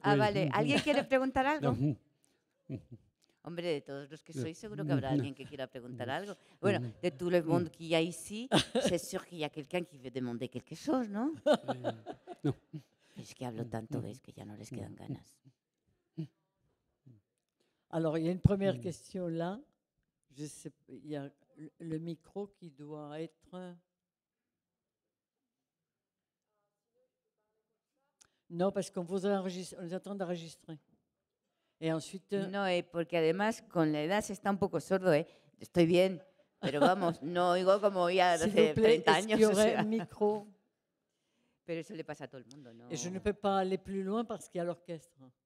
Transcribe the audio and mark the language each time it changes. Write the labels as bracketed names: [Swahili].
[Spanish] Ah, vale. ¿Alguien quiere preguntar algo? Hombre, de todos los que sois, seguro que habrá alguien que quiera preguntar algo. [French] Bueno, de tout le monde qu'il y a ici, c'est sûr qu'il y a quelqu'un qui veut demander quelque chose, non? Non. [Spanish] Es que hablo tanto, es que ya no les quedan ganas. [French] Alors, il y a une première question là. Je sais, il y a le micro qui doit être... Non, parce qu'on vous enregistre, on vous attend d'enregistrer. Et ensuite... Non, et parce que, [Spanish] además, con la edad, c'est un poco sordo, ¿eh? Estoy bien, pero vamos, no oigo como oía hace 30 años. [French] S'il vous plaît, est-ce qu'il y aurait un micro? [Spanish] Pero eso le pasa a todo el mundo, ¿no? [French] Et je ne peux pas aller plus loin parce qu'il y a l'orchestre.